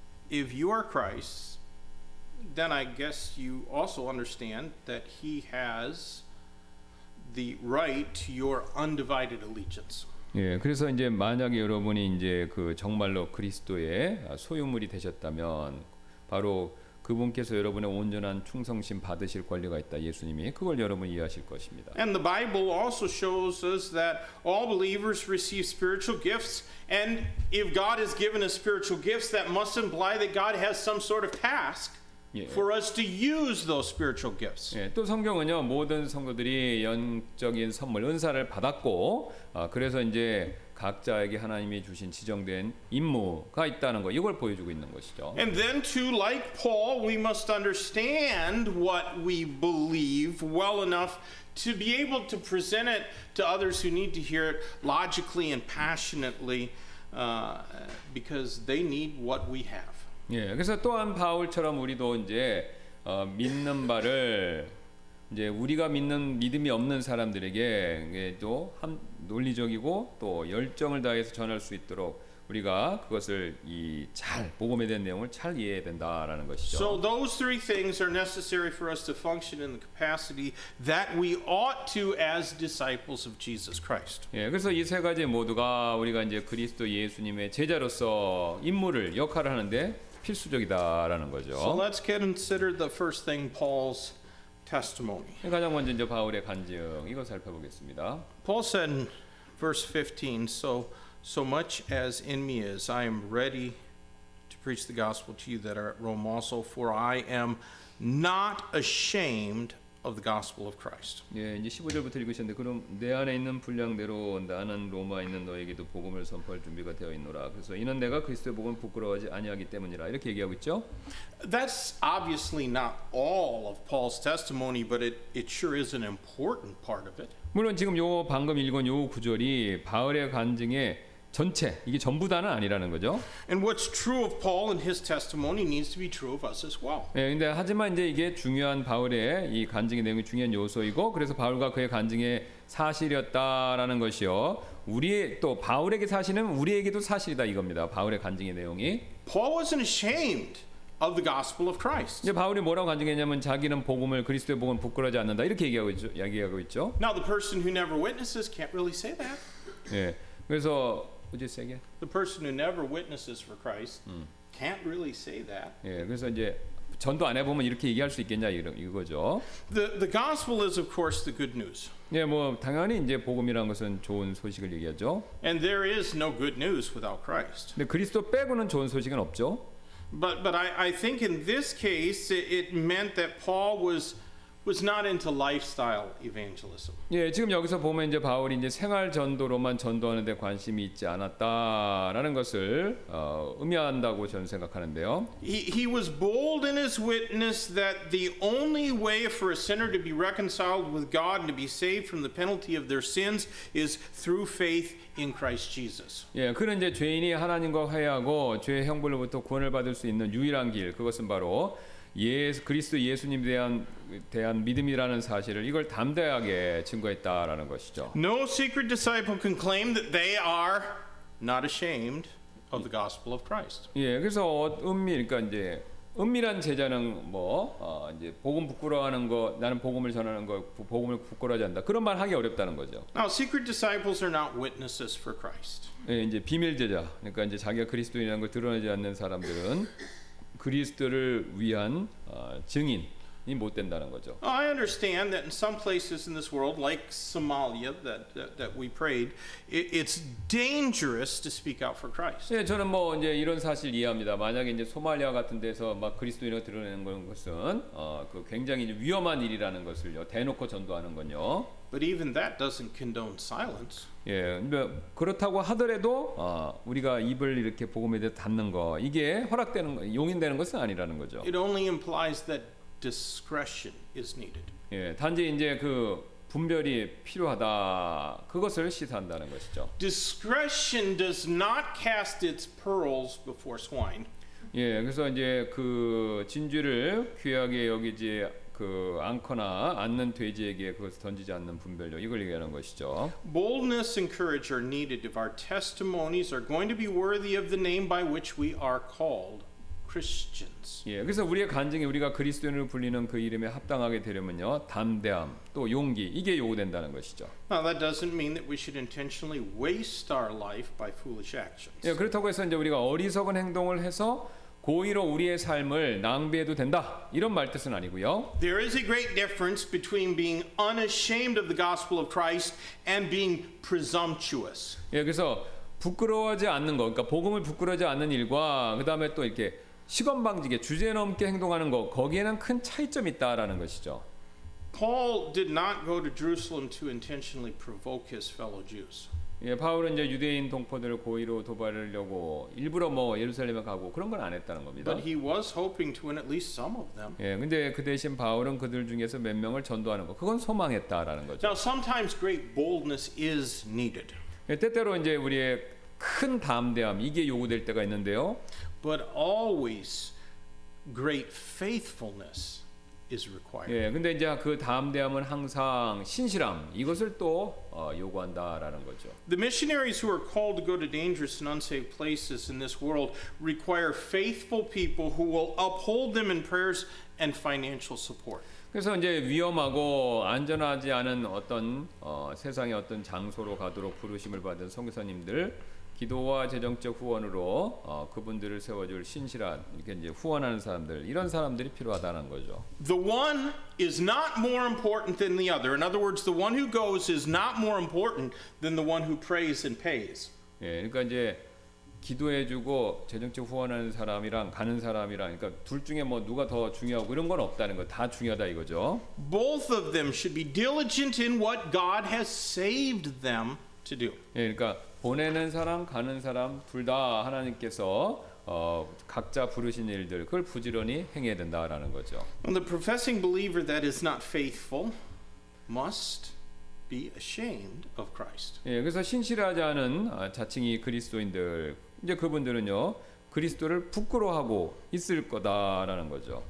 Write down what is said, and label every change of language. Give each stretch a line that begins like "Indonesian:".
English: If you are Christ, then I guess you also understand that He has the right to your undivided allegiance.
Korean: 예, 그래서 이제 만약에 여러분이 이제 그 정말로 그리스도의 소유물이 되셨다면, 바로 그분께서 여러분의 온전한 충성심 받으실 권리가 있다. 예수님이 그걸 여러분 이해하실 것입니다.
English: And the Bible also shows us that all believers receive spiritual gifts. And if God has given us spiritual gifts, that must imply that God has some sort of task for us to use those spiritual gifts.
Korean: 예, 또 성경은요 모든 성도들이 영적인 선물 은사를 받았고 그래서 이제 각자에게 하나님이 주신 지정된 임무가 있다는 거 이걸 보여주고 있는 것이죠.
English: And then too, like Paul, we must understand what we believe well enough to be able to present it to others who need to hear it logically and passionately because they need what we have.
Korean: 예, 그래서 또한 바울처럼 우리도 이제 믿는 바를 이제 우리가 믿는 믿음이 없는 사람들에게 또 한 논리적이고 또 열정을 다해서 전할 수 있도록 우리가 그것을 이 잘 복음에 대한 내용을 잘 이해해야 된다라는 것이죠.
English: So those three things are necessary for us to function in the capacity that we ought to as disciples of Jesus Christ.
Korean: 예, 그래서 이 세 가지 모두가 우리가 이제 그리스도 예수님의 제자로서 임무를 역할을 하는데 필수적이다라는 거죠.
English: So let's consider the first thing Paul's testimony.
Korean: 가장 먼저 이제 바울의 간증 이거 살펴보겠습니다.
English: Paul said in verse 15, so much as in me is, I am ready to preach the gospel to you that are at Rome also, for I am not ashamed of the gospel of Christ.
Korean: 예, 이제 15절부터 읽으셨는데 그럼 내 안에 있는 분량대로 나는 로마에 있는 너에게도 복음을 선포할 준비가 되어 있노라. 그래서 이는 내가 그리스도의 복음 부끄러워하지 아니하기 때문이라. 이렇게 얘기하고 있죠.
English: That's obviously not all of Paul's testimony, but it sure is an important part of it.
Korean: 물론 지금 요 방금 읽은 요 구절이 바울의 간증의 전체 이게 전부 다는 아니라는 거죠.
English: And what's true of Paul and his testimony needs to be true of us as well.
Korean: 예, 근데 하지만 이제 이게 중요한 바울의 이 간증의 내용이 중요한 요소이고 그래서 바울과 그의 간증의 사실이었다라는 것이요. 우리의 또 바울에게 사실은 우리에게도 사실이다 이겁니다. 바울의 간증의 내용이
English: Paul wasn't ashamed of the gospel of Christ.
Korean: 이제 바울이 뭐라고 간증했냐면 자기는 복음을 그리스도의 복음 부끄러워하지 않는다. 이렇게 얘기하고 있죠.
English: Now the person who never witnesses can't really say that.
Korean: 예. 그래서
English: would you say again? The person who never witnesses for Christ can't really say that.
Korean: 예, 그래서 이제 전도 안 해보면 이렇게 얘기할 수 있겠냐 이거죠.
English: The gospel is of course the good news.
Korean: 예, 뭐 당연히 이제 복음이라는 것은 좋은 소식을 얘기하죠.
English: And there is no good news without Christ.
Korean: 근데 그리스도 빼고는 좋은 소식은 없죠.
English: But I think in this case it meant that Paul was not into lifestyle evangelism.
Korean: 예, 지금 여기서 보면 이제 바울이 이제 생활 전도로만 전도하는 데 관심이 있지 않았다라는 것을 의미한다고 저는 생각하는데요.
English: He was bold in his witness that the only way for a sinner to be reconciled with God and to be saved from the penalty of their sins is through faith in Christ Jesus.
Korean: 예, 그는 이제 죄인이 하나님과 화해하고 죄의 형벌로부터 구원을 받을 수 있는 유일한 길, 그것은 바로 예수 그리스도 예수님에 대한 믿음이라는 사실을 이걸 담대하게 증거했다라는 것이죠.
English: No secret disciple can claim that they are not ashamed of the gospel of Christ.
Korean: 예, 그래서 그러니까 이제 은밀한 제자는 뭐 이제 복음 부끄러워하는 거 나는 복음을 전하는 거 복음을 부끄러워하지 않는다. 그런 말 하기 어렵다는 거죠.
English: Now secret disciples are not witnesses for Christ.
Korean: 예, 이제 비밀 제자. 그러니까 이제 자기가 그리스도인이라는 걸 드러내지 않는 사람들은 그리스도를 위한 증인이 못 된다는 거죠.
English: I understand that in some places in this world, like Somalia, that we prayed, it's dangerous to speak out for Christ.
Korean: 예, 저는 뭐 이제 이런 사실 이해합니다. 만약에 이제 소말리아 같은 데서 막 그리스도인을 드러내는 것은 그 굉장히 위험한 일이라는 것을요 대놓고 전도하는 건요.
English: But even that doesn't condone silence.
Korean: 예, 뭐 그렇다고 하더라도 우리가 입을 이렇게 복음에 대해 닫는 거 이게 허락되는 거, 용인되는 것은 아니라는 거죠.
English: It only implies that discretion is needed.
Korean: 예, 단지 이제 그 분별이 필요하다 그것을 시사한다는 것이죠.
English: Discretion does not cast its pearls before swine.
Korean: 예, 그래서 이제 그 진주를 귀하게 여기지 그 앙커나 앉는 돼지에게 그것을 던지지 않는 분별력 이걸 얘기하는 것이죠.
English: Boldness and courage are needed if our testimonies are going to be worthy of the name by which we are called Christians.
Korean: 예, 그래서 우리의 간증이 우리가 그리스도인을 불리는 그 이름에 합당하게 되려면요, 담대함 또 용기 이게 요구된다는 것이죠.
English: Now that doesn't mean that we should intentionally waste our life by foolish actions.
Korean: 예, 그렇다고 해서 이제 우리가 어리석은 행동을 해서 고의로 우리의 삶을 낭비해도 된다 이런 말 뜻은 아니고요.
English: There is a great difference between being unashamed of the gospel of Christ and being presumptuous.
Korean: 예, 그래서 부끄러워하지 않는 것, 그러니까 복음을 부끄러워하지 않는 일과 그 다음에 또 이렇게 시건방지게 주제넘게 행동하는 것 거기에는 큰 차이점이 있다라는 것이죠.
English: Paul did not go to Jerusalem to intentionally provoke his fellow Jews.
Korean: 예, 바울은 이제 유대인 동포들을 고의로 도발하려고 일부러 뭐 예루살렘에 가고 그런 건 안 했다는 겁니다.
English: But he was hoping to win at least some of them.
Korean: 예, 근데 그 대신 바울은 그들 중에서 몇 명을 전도하는 거 그건 소망했다라는 거죠.
English: Now sometimes great boldness is needed.
Korean: 예, 때때로 이제 우리의 큰 담대함 이게 요구될 때가 있는데요.
English: But always great faithfulness is required.
Korean: 예, 근데 이제 그 담대함은 항상 신실함 이것을 또 요구한다라는 거죠.
English: The missionaries who are called to go to dangerous and unsafe places in this world require faithful people who will uphold them in prayers and financial support.
Korean: 그래서 이제 위험하고 안전하지 않은 어떤 세상의 어떤 장소로 가도록 부르심을 받은 선교사님들 기도와 재정적 후원으로 그분들을 세워줄 신실한 이렇게 이제 후원하는 사람들 이런 사람들이 필요하다는 거죠.
English: The one is not more important than the other. In other words, the one who goes is not more important than the one who prays and pays.
Korean: 예, 그러니까 이제 기도해 주고 재정적 후원하는 사람이랑 가는 사람이랑 그러니까 둘 중에 뭐 누가 더 중요하고 그런 건 없다는 거 다 중요하다 이거죠.
English: Both of them should be diligent in what God has saved them to do.
Korean: 예, 그러니까 보내는 사람 가는 사람 둘 다 하나님께서 각자 부르신 일들 그걸 부지런히 행해야 된다라는 거죠.
English: And the professing believer that is not faithful must be ashamed of Christ.
Korean: 예, 그래서 신실하지 않은 자칭이 그리스도인들 이제 그분들은요 그리스도를 부끄러워하고 있을 거다라는 거죠.